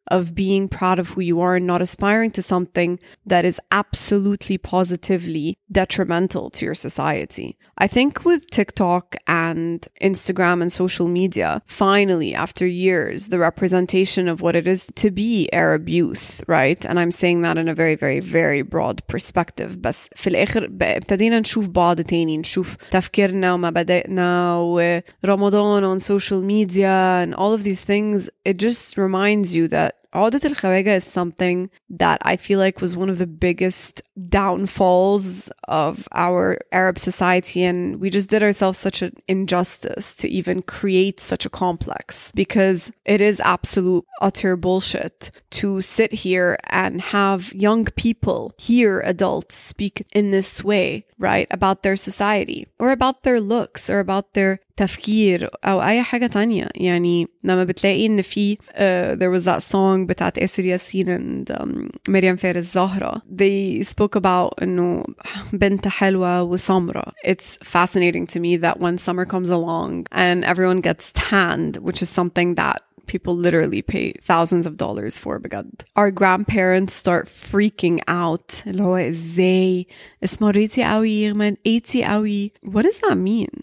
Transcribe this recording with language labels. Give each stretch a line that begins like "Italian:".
English: of being proud of who you are and not aspiring to something that is absolutely positively detrimental to your society. I think with TikTok and Instagram and social media, finally, after years, the representation of what it is to be Arab youth, right? And I'm saying that in a very, very, very broad perspective.
Arabic: بس في الآخر بتدينا نشوف بعض تاني, نشوف تفكيرنا ومبادئنا ورمضان
English: on social media and all of these things. It just reminds you that 3o2det Khawaga is something that I feel like was one of the biggest downfalls of our Arab society, and we just did ourselves such an injustice to even create such a complex, because it is absolute utter bullshit to sit here and have young people hear adults speak in this way, right, about their society or about their looks or about their
Arabic: تفكير أو أي حاجة تانية. يعني لما بتلاقي إن في
English: there was that song
Arabic: بتاعت إسر ياسين and مريم فارس زهرة,
English: they spoke about
Arabic: إنه بنت حلوة وسمرة.
English: It's fascinating to me that when summer comes along and everyone gets tanned, which is something that people literally pay thousands of dollars for,
Arabic: بجد.
English: Our grandparents start freaking out. What does that mean?